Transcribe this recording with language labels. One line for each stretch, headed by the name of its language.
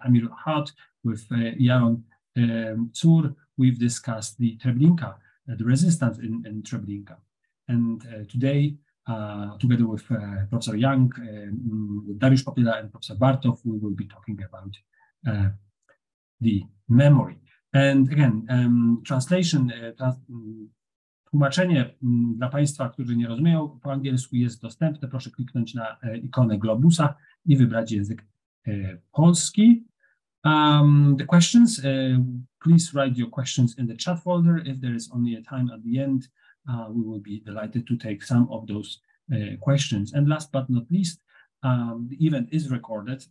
English: Tamir Hart, with Yaron Tsur, we've discussed the Treblinka, the resistance in Treblinka. And today, together with Professor Young, with Dariusz Popiela and Professor Bartov, we will be talking about the memory. And again, translation.
Polish: Tłumaczenie dla Państwa, którzy nie rozumieją po angielsku, jest dostępne. Proszę kliknąć na ikonę Globusa I wybrać język polski.
English: The questions, please write your questions in the chat folder. If there is only a time at the end, we will be delighted to take some of those questions. And last but not least, the event is recorded.